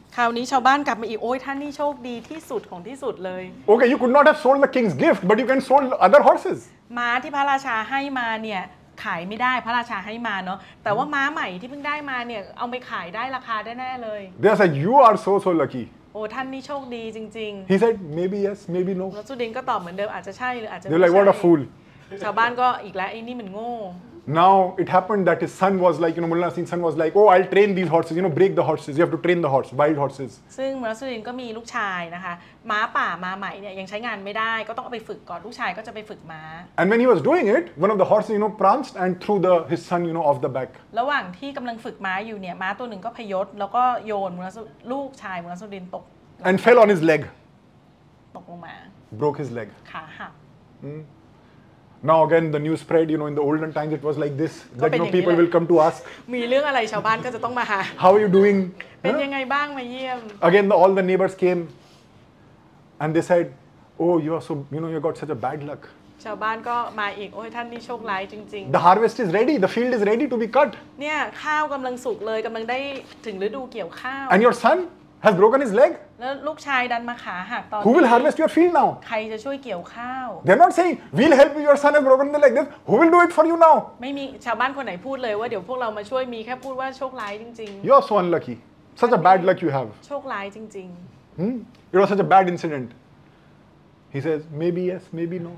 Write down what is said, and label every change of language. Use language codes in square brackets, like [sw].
[th] คราวนี้ชาวบ้านกลับมาอีกโอ้ยท่านนี่โชคดีที่สุดของที่สุดเลย [en] โอเค you could not have sold the king's gift but you can sold other horses [th] ม้าที่พระราชาให้มาเนี่ยขายไม่ได้พระราชาให้มาเนาะแต่ว่าม้าใหม่ที่เพิ่งได้มาเนี่ยเอาไปขายได้ราคาแน่เลย [en] They said you are so lucky [th] โอ้ท่านนี่โชคดีจริง [en] ๆ He said maybe yes maybe no [th] แล้วสุดินก็ตอบเหมือนเดิมอาจจะใช่หรืออาจจ [en] ะ They're like what a fool [th] ชาวบ้านก็อีกแล้วไอ้นี่มันโง่ [en] Now it happened that his son was like, you know, Mullah Nasruddin's son was like, oh, I'll train these horses, you know, break the horses. You have to train the horse, wild horses. [th] ซึ่งมุลลาสุดินก็มีลูกชายนะคะม้าป่าม้าใหม่เนี่ยยังใช้งานไม่ได้ก็ต้องเอาไปฝึกก่อนลูกชายก็จะไปฝึกม้า [en] And when he was doing it, one of the horses, you know, pranced and threw the his son, you know, off the back. [th] ระหว่างที่กำลังฝึกม้าอยู่เนี่ยม้าตัวหนึ่งก็พยศแล้วก็โยนมุลลาสุลูกชายมุลลาสุดินตก [en] And fell on his leg. [th] ตกลงมา [en] Broke his leg. [th] ขาหัก [en] Now again the news spread you know in the olden times it was like this that you know people will come to ask [th] มีเรื่องอะไรชาวบ้านก็จะต้องมาหา [en] How are you doing [th] เป็นยังไงบ้างมาเยี่ยม [en] Again the, all the neighbors came and they said oh you are so you know you got such a bad luck [th] ชาวบ้านก็มาอีกโอ้ยท่านนี่โชคร้ายจริง [en] ๆ The harvest is ready the field is ready to be cut [th] เนี่ยข้าวกำลังสุกเลยกำลังได้ถึงฤดูเกี่ยวข้าว [en] And your son has broken his leg. [th] แล้วลูกชายดันมาขาหักตอน [en] Who will harvest your field now? [th] ใครจะช่วยเกี่ยวข้าว [en] They're not saying we'll help you, your son has broken the leg. This who will do it for you now? [th] ไม่มีชาวบ้านคนไหนพูดเลยว่าเดี๋ยวพวกเรามาช่วยมีแค่พูดว่าโชคร้ายจริง [en] ๆ You're so unlucky. Such a bad luck you have. [th] โชคร้ายจริง [en] ๆ It was such a bad incident. He says maybe yes, maybe no.